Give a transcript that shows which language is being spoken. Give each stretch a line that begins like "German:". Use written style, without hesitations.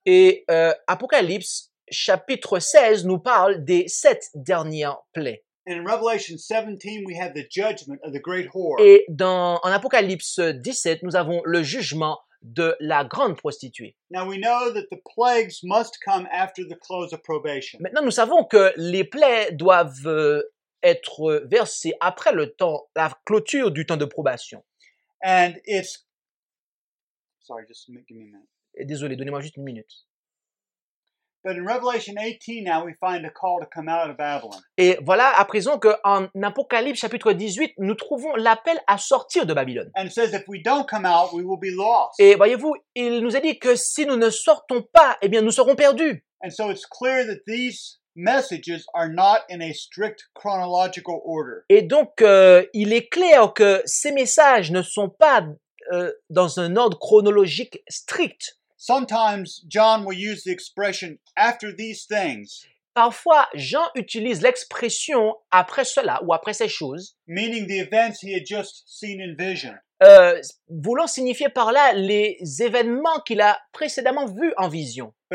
French: Et Apocalypse chapitre 16 nous parle des sept dernières plaies.
English: And in Revelation 17 we have the judgment of the great whore.
French: Et en Apocalypse 17 nous avons le jugement de la grande prostituée.
English: Now we know that the plagues must come after the close of probation.
French: Maintenant nous savons que les plaies doivent être versées après le temps, la clôture du temps de probation.
English: And it's sorry, just give me a minute.
French: Désolé, donnez-moi juste une minute.
English: But in Revelation 18, now we find a call to come out of Babylon.
French: Et voilà, à présent que en Apocalypse chapitre 18, nous trouvons l'appel à sortir de Babylone.
English: And it says if we don't come out, we will be lost.
French: Et voyez-vous, il nous a dit que si nous ne sortons pas, eh bien, nous serons perdus.
English: And so it's clear that these messages are not in a strict chronological order.
French: Et donc il est clair que ces messages ne sont pas dans un ordre chronologique strict.
English: Sometimes John will use the expression after these things.
French: Parfois Jean utilise l'expression après cela ou après ces choses,
English: meaning the events he had just seen in vision.
French: Voulant signifier par là les événements qu'il a précédemment vus en vision.